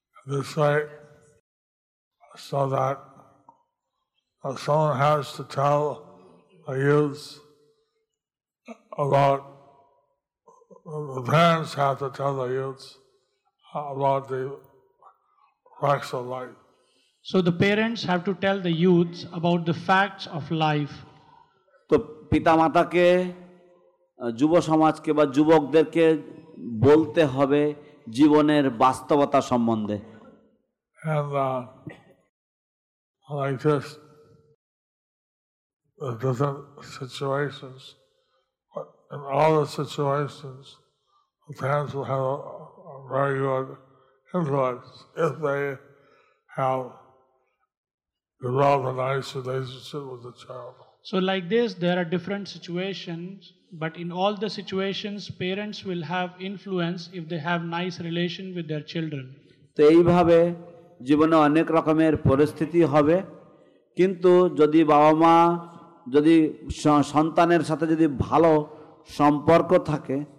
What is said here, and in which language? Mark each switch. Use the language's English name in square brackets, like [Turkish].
[English] This way, so that someone has to tell the youths about, the parents have to tell the youths about the facts of life. So the parents have to tell the youths about the facts of life. [Bangla] তো পিতা মাতাকে যুব সমাজকে বা যুবকদেরকে বলতে হবে জীবনের বাস্তবতা সম্বন্ধে। [English] And like this, the different situations, in all the situations, the parents will have a very good influence if they have developed a nice relationship with the child. So like this, there are different situations, but in all the situations, parents will have influence if they have nice relation with their children. [Bangla] তো এইভাবে জীবনে অনেক রকমের পরিস্থিতি হবে, কিন্তু যদি বাবা মা যদি সন্তানের সাথে যদি ভালো সম্পর্ক থাকে।